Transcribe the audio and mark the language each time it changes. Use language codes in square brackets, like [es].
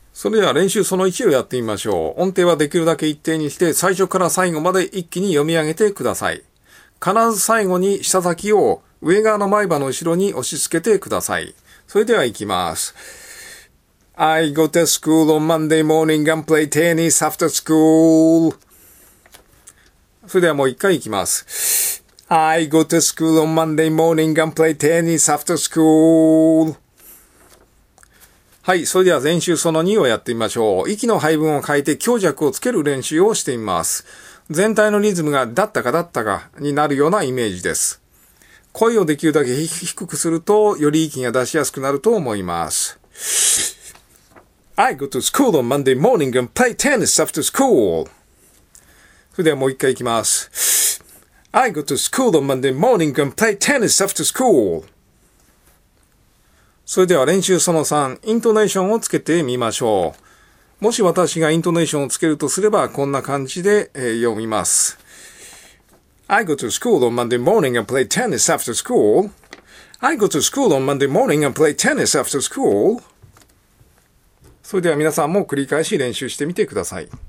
[ja] それでは練習その1をやってみましょう。音程はできるだけ一定にして、最初から最後まで一気に読み上げてください。必ず最後に舌先を上側の前歯の後ろに押し付けてください。それでは行きます。 [en] I go to school on Monday morning and play tennis after school. [ja] それではもう一回行きます。 [en] I go to school on Monday morning and play tennis after school. [ja] はい、それでは練習その2をやってみましょう。息の配分を変えて強弱をつける練習をしてみます。全体のリズムがだったかになるようなイメージです。声をできるだけ低くすると、より息が出しやすくなると思います。 [en] I go to school on Monday morning and play tennis after school. [ja] それではもう一回行きます。 [en] I go to school on Monday morning and play tennis after school. [ja] それでは練習その3、イントネーションをつけてみましょう。もし私がイントネーションをつけるとすれば、こんな感じで読みます。 [en] I go to school on Monday morning and play tennis after school. I go to school on Monday morning and play tennis after school. [ja] それでは皆さんも繰り返し練習してみてください。